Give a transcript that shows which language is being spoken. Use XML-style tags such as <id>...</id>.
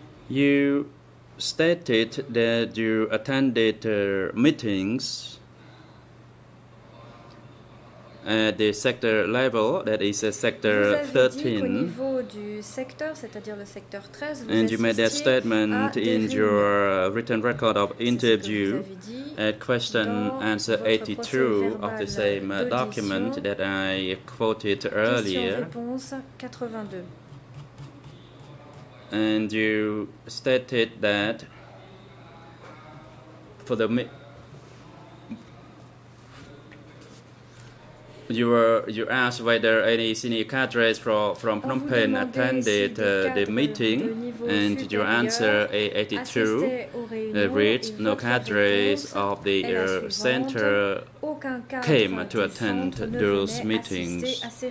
<en>You stated that you attended meetings at the sector level, that is a sector 13.</en> <fr>Vous avez dit qu'au niveau du secteur, c'est-à-dire le secteur 13, vous assistiez.</fr> <en>And you made that statement in your written record of interview at question answer 82 of the same document that I quoted earlier.</en> <fr>Question-réponse 82.</fr> <en>And you stated that for the you asked whether any senior cadres from Phnom Penh attended the meeting, and your answer A82 reads, no cadres of the center came to attend those meetings.</en>